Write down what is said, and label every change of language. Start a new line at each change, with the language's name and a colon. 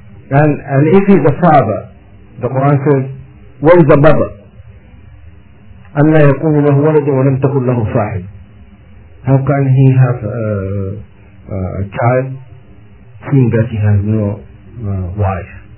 English: And if he is the father, the Quran says, what is the mother?
Arabic: أن لا يكون له ولد ولم تكن له صاحب.
English: How can he have a child seeing that he has no wife?